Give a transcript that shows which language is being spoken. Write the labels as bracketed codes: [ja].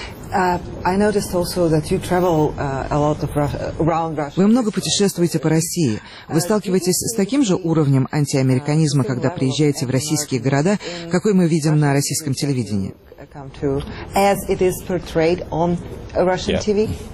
[en] I noticed also that you travel a lot of around Russia. [ru] Вы много путешествуете по России. Вы сталкиваетесь с таким же уровнем антиамериканизма, когда приезжаете в российские города, какой мы видим на российском телевидении? [en] As it is portrayed on Russian TV?